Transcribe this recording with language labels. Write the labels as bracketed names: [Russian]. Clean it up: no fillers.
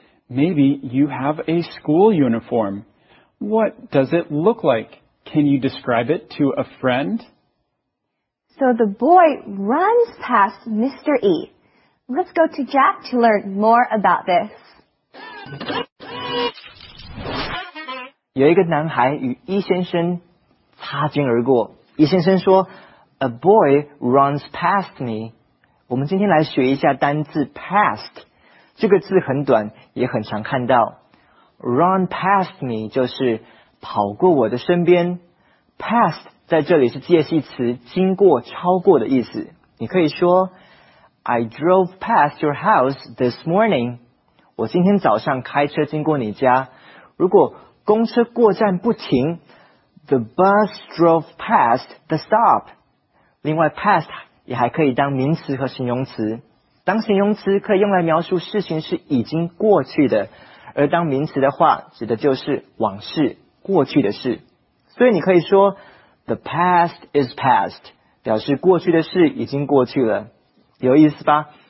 [English] Maybe you have a school uniform. What does it look like? Can you describe it to a friend? So the boy runs past Mr. E. Let's go to Jack to learn more about this. [Chinese] 有一个男孩与E先生擦肩而过。 E先生说 [English] ,A boy runs past me. [Chinese] 我们今天来学一下单字 past。这个字很短，也很常看到。 [English] Run past me [Chinese] 就是跑过我的身边。 Past 在这里是介系词，经过、超过的意思。你可以说 [English] ,I drove past your house this morning. [Chinese] 我今天早上开车经过你家。如果公车过站不停 [English] ,The bus drove past the stop. [Chinese] 另外 past 也还可以当名词和形容词。当形容词可以用来描述事情是已经过去的，而当名词的话指的就是往事，过去的事。所以你可以说 [English] The past is past， [Chinese] 表示过去的事已经过去了，有意思吧？